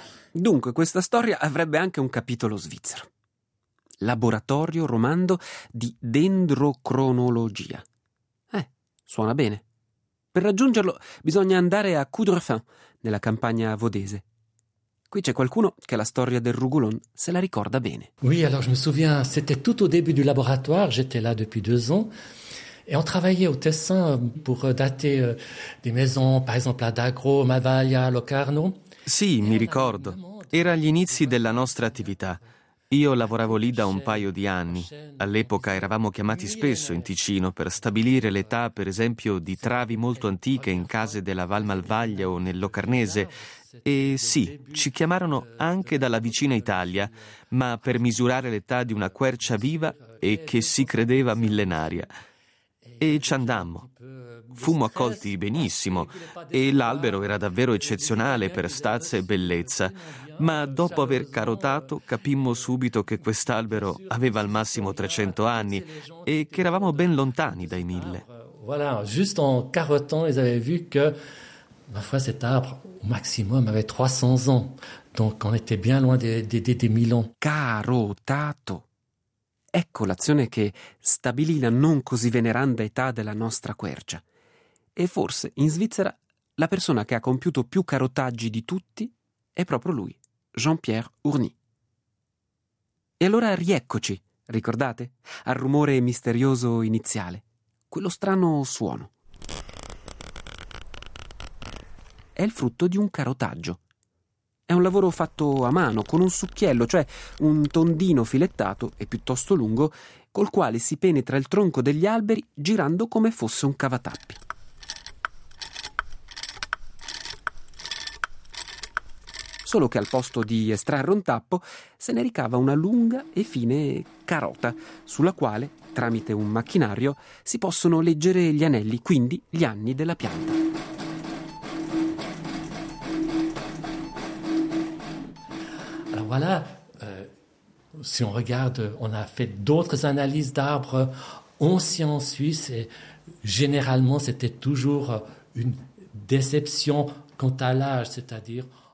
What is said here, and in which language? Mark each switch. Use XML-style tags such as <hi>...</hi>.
<it>Dunque, questa storia avrebbe anche un capitolo svizzero. Laboratorio Romando di dendrocronologia. Suona bene. Per raggiungerlo bisogna andare a Coudrefin, nella campagna vaudese. Qui c'è qualcuno che la storia del rugolon se la ricorda bene.</it> <fr>Oui, alors je me souviens, c'était tout au début du laboratoire, j'étais là depuis deux ans. Et on travaillait au Tessin pour dater des maisons, par exemple à Dagro, Mavaglia, Locarno.</fr> <it>Sì, mi ricordo. Era agli inizi della nostra attività. Io lavoravo lì da un paio di anni. All'epoca eravamo chiamati spesso in Ticino per stabilire l'età, per esempio, di travi molto antiche in case della Val Malvaglia o nel Locarnese. E sì, ci chiamarono anche dalla vicina Italia, ma per misurare l'età di una quercia viva e che si credeva millenaria. E ci andammo. Fummo accolti benissimo e l'albero era davvero eccezionale per stazza e bellezza. Ma dopo aver carotato capimmo subito che quest'albero aveva al massimo 300 anni e che eravamo ben lontani dai 1000.</it> <fr>Voilà, juste en carotant, ils avaient vu que ma foi cet arbre au maximum avait 300 ans. Donc on était bien loin des 1000 ans.</fr> <it>Carotato. Ecco l'azione che stabilì la non così veneranda età della nostra quercia. E forse in Svizzera la persona che ha compiuto più carotaggi di tutti è proprio lui, Jean-Pierre Urny. E allora rieccoci, ricordate? Al rumore misterioso iniziale, quello strano suono. È il frutto di un carotaggio. È un lavoro fatto a mano, con un succhiello, cioè un tondino filettato e piuttosto lungo, col quale si penetra il tronco degli alberi girando come fosse un cavatappi. Solo che al posto di estrarre un tappo se ne ricava una lunga e fine carota sulla quale, tramite un macchinario, si possono leggere gli anelli, quindi gli anni della pianta.</it> <fr>Alors voilà, si on regarde, on a fait d'autres analyses d'arbres anciens en Suisse et généralement c'était toujours une déception quant à l'âge, c'est-à-dire.</fr>